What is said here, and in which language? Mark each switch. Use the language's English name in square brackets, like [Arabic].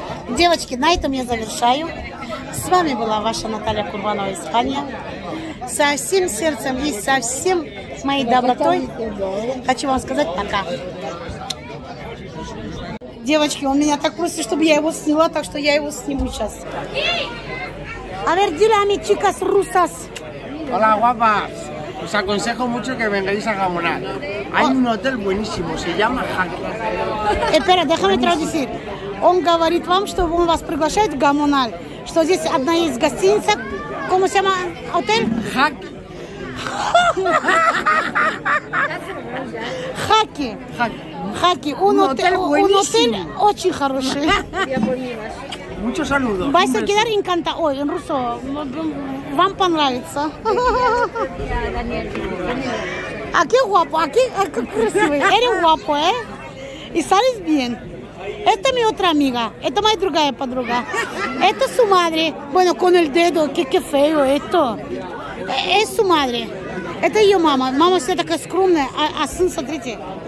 [Russian] Девочки, на этом я завершаю. С вами была ваша Наталья Курбанова из Испании. Со всем сердцем и со всем моей добротой хочу вам сказать пока. Девочки, он меня так просит, чтобы я его сняла, так что я его сниму сейчас. [Spanish] A ver, dile a mi chicas rusas. Hola, guapas. Os aconsejo mucho que vengáis a Gamonal. Hay un hotel buenísimo, se llama Haki. Espera, déjame traducir. [Russian] Он говорит вам, что он вас приглашает в Gamonal, что здесь одна из гостиниц, [Spanish] ¿cómo se llama hotel? Haki. Haki. Haki. Un hotel [Russian] очень хороший. [Spanish] Mucho saludo. Vais a quedar encantado. Oye, en ruso, [Russian] вам понравится. [Spanish] А qué guapo, aquí [Russian] красивый. [Spanish] Eres guapo, ¿eh? Y sales bien. Esta es mi otra amiga. Esta es mi [Russian] другая подруга. [Spanish] Esta es su madre. Bueno, con el dedo, qué feo esto. Es su madre. [Russian] Это ее мама. Мама вся такая скромная, а сын, смотрите.